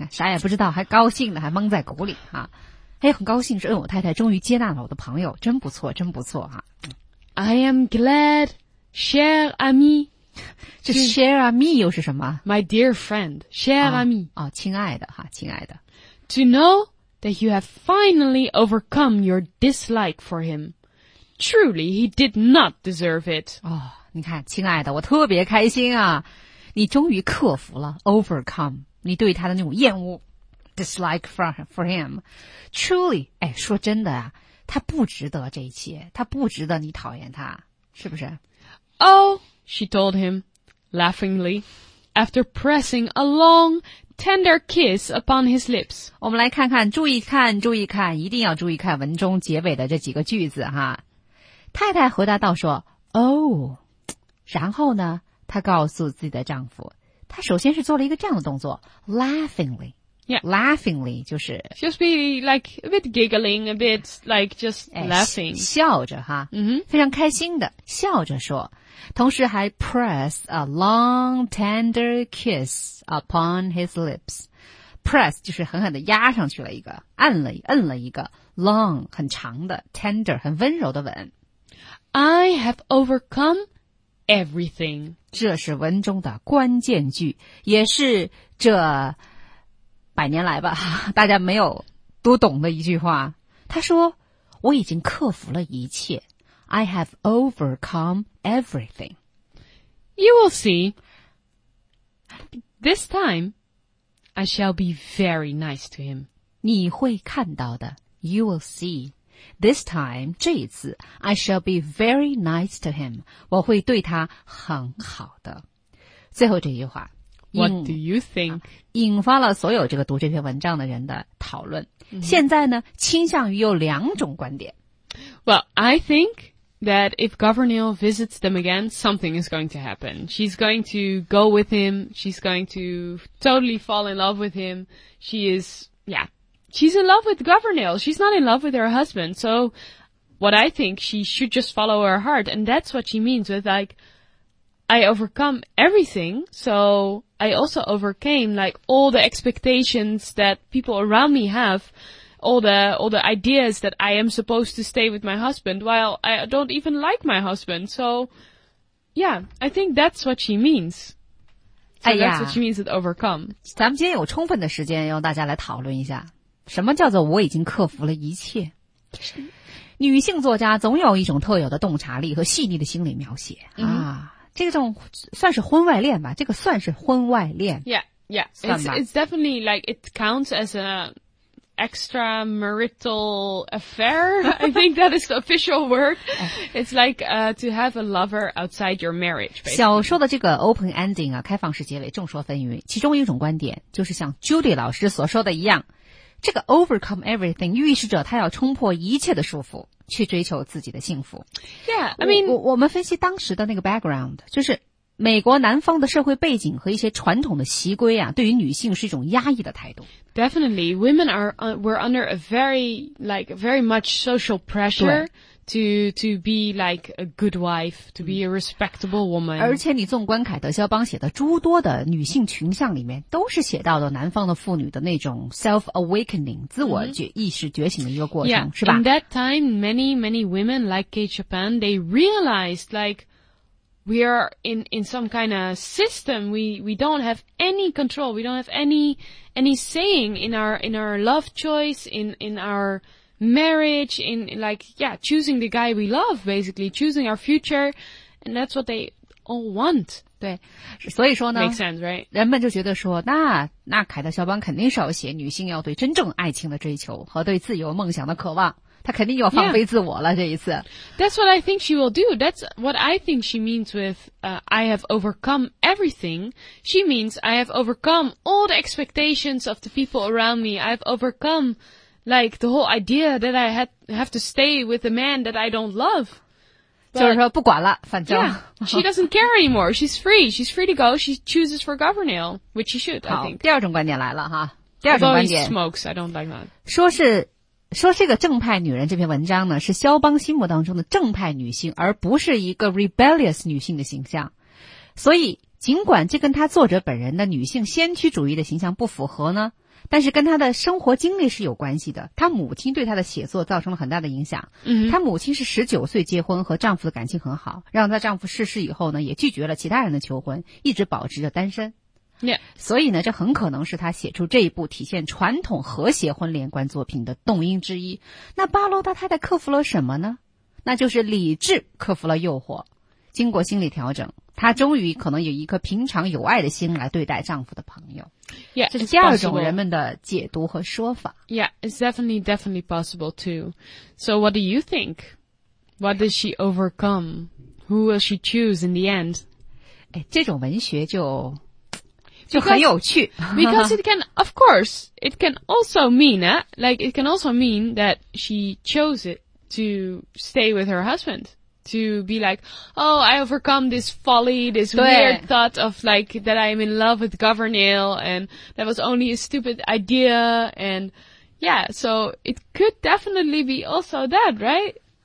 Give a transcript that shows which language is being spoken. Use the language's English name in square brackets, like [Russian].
[Chinese] 啥也不知道，还高兴呢，还蒙在鼓里啊！哎，很高兴，说：“哎，我太太终于接纳了我的朋友，真不错，真不错啊。” [English] I am glad, [French] cher ami. [Chinese] 这 [French] cher ami [Chinese] 又是什么 [English] ？My dear friend, [French] cher ami. [Chinese] 哦，亲爱的哈，亲爱的。 [English] To know that you have finally overcome your dislike for him. Truly, he did not deserve it. [Chinese] 哦，你看，亲爱的，我特别开心啊。你终于克服了 overcome, 你对他的那种厌恶 [English] dislike for him. [Chinese] Truly, 哎，说真的啊，他不值得这一切，他不值得你讨厌他，是不是？ [English] Oh, she told him, laughingly, after pressing a long,Tender kiss upon his lips. [Chinese] 我们来看看，注意看，注意看，一定要注意看文中结尾的这几个句子哈。太太回答道说 ,Oh, 然后呢，她告诉自己的丈夫，她首先是做了一个这样的动作 ,laughingly. [English] Yeah. Laughingly, [Chinese] 就是。 [English] Just be like a bit giggling, a bit like just laughing.、 [Chinese] 哎、笑着哈。嗯、mm-hmm. 非常开心的笑着说。同时还 [English] press a long tender kiss upon his lips. [Chinese] Press 就是狠狠地压上去了一个，摁了一个 long 很长的 tender 很温柔的吻。 [English] I have overcome everything. [Chinese] 这是文中的关键句，也是这百年来吧，大家没有都懂的一句话。他说，我已经克服了一切。 [English] I have overcome everything. You will see. This time, I shall be very nice to him. [Chinese] 你会看到的。 [English] You will see. This time, [Chinese] 这一次 [English] I shall be very nice to him. [Chinese] 我会对他很好的。最后这句话 [English] What do you think?、 [Chinese] 引发了所有这个读这篇文章的人的讨论、现在呢倾向于有两种观点 [English] Well, I think that if Gavriil visits them again, something is going to happen. She's going to go with him. She's going to totally fall in love with him. She is, yeah, she's in love with Gavriil. She's not in love with her husband. So what I think, she should just follow her heart. And that's what she means with like, I overcome everything. So I also overcame like all the expectations that people around me have. All the ideas that I am supposed to stay with my husband while I don't even like my husband. So, yeah, I think that's what she means. So、哎、 that's what she means with overcome. [Chinese] 咱们今天有充分的时间要大家来讨论一下什么叫做我已经克服了一切。女性作家总有一种特有的洞察力和细腻的心理描写、啊。这种算是婚外恋吧，这个算是婚外恋。 [English] Yeah. It's definitely like, it counts as a,extramarital affair. I think that is the official word. It's like, to have a lover outside your marriage.、Basically. [Chinese] 小说的这个 open ending 啊，开放式结尾众说纷纭。其中一种观点就是像 Judy 老师所说的一样，这个 overcome everything 预示着他要冲破一切的束缚，去追求自己的幸福。 [English] Yeah, I mean, [Chinese] 我们分析当时的那个 background， 就是美国南方的社会背景和一些传统的习规啊，对于女性是一种压抑的态度。 [English] Definitely, women are, were under a very, like, very much social pressure to be like a good wife, to be a respectable woman. [Chinese] 而且你纵观凯德肖邦写的诸多的女性群像里面，都是写到了南方的妇女的那种 self-awakening, 自我意识觉醒的一个过程、 [English] yeah. [Chinese] 是吧 [English] In that time, many, many women like Kate Chopin, they realized like,We are in some kind of system. We don't have any control. We don't have any saying in our love choice, in our marriage, in like, yeah, choosing the guy we love, basically choosing our future. And that's what they all want. [Chinese] 对。所以说呢 [English] Makes sense, right? [Chinese] 人们就觉得说那凯德肖邦肯定是要写女性要对真正爱情的追求和对自由梦想的渴望。她肯定又放飞自我了、 [English] yeah. [Chinese] 这一次。 [English] That's what I think she will do. That's what I think she means with,I have overcome everything. She means I have overcome all the expectations of the people around me. I've overcome, like, the whole idea that I have to stay with a man that I don't love. [Chinese] But, 就是说不管了反正。 [English] Yeah, she doesn't care anymore. She's free. She's free to go. She chooses for Gavriil, which she should, I think. [Chinese] 第二种观点来了哈。第二种观点。 [English] Although he smokes, I don't like that. [Chinese] 说这个正派女人这篇文章呢是肖邦心目当中的正派女性而不是一个 rebellious 女性的形象。所以尽管这跟她作者本人的女性先驱主义的形象不符合呢但是跟她的生活经历是有关系的。她母亲对她的写作造成了很大的影响。她母亲是19岁结婚和丈夫的感情很好让她丈夫逝世以后呢也拒绝了其他人的求婚一直保持着单身。 Yeah. 所以呢这很可能是他写出这一部体现传统和谐婚恋观作品的动因之一。那巴洛大太太克服了什么呢那就是理智克服了诱惑。经过心理调整他终于可能有一颗平常有爱的心来对待丈夫的朋友。 [English] Yeah, [Chinese] 这是第二种人们的解读和说法。 [English] Yeah, it's definitely, definitely possible too. So what do you think? What does she overcome? Who will she choose in the end?、 [Chinese] 哎、这种文学就很有趣 [English] because it can of course it can also mean、like it can also mean that she chose it to stay with her husband to be like oh I overcome this folly this weird thought of like that I'm in love with Gavriil and that was only a stupid idea and yeah so it could definitely be also that right